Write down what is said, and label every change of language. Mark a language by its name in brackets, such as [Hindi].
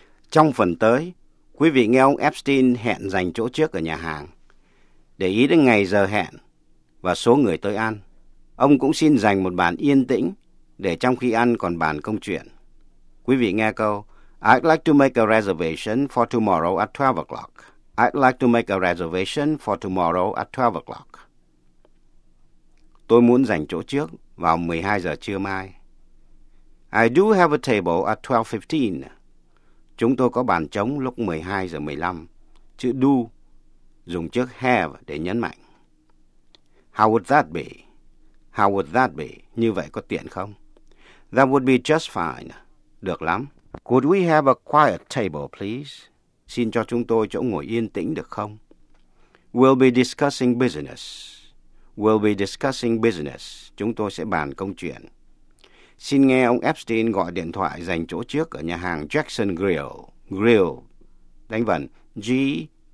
[Vietnamese] Trong phần tới, quý vị nghe ông Epstein hẹn dành chỗ trước ở nhà hàng. Để ý đến ngày giờ hẹn và số người tới ăn, ông cũng xin dành một bàn yên tĩnh để trong khi ăn còn bàn công chuyện. Quý vị nghe câu, [English] I'd like to make a reservation for tomorrow at 12 o'clock. I'd like to make a reservation for tomorrow at 12 o'clock. [Vietnamese] Tôi muốn dành chỗ trước vào 12 giờ trưa mai. [English] I do have a table at 12:15. [Vietnamese] Chúng tôi có bàn trống lúc 12:15. Chữ do dùng trước have để nhấn mạnh. [English] How would that be? How would that be? [Vietnamese] Như vậy có tiện không? [English] That would be just fine. [Vietnamese] Được lắm. [English] Could we have a quiet table, please? [Vietnamese] Xin cho chúng tôi chỗ ngồi yên tĩnh được không? [English] We'll be discussing business. We'll be discussing business. [Vietnamese] Chúng tôi sẽ bàn công chuyện. Xin nghe ông Epstein gọi điện thoại dành chỗ trước ở nhà hàng Jackson Grill. Grill. Đánh vần G-R-I-L-L.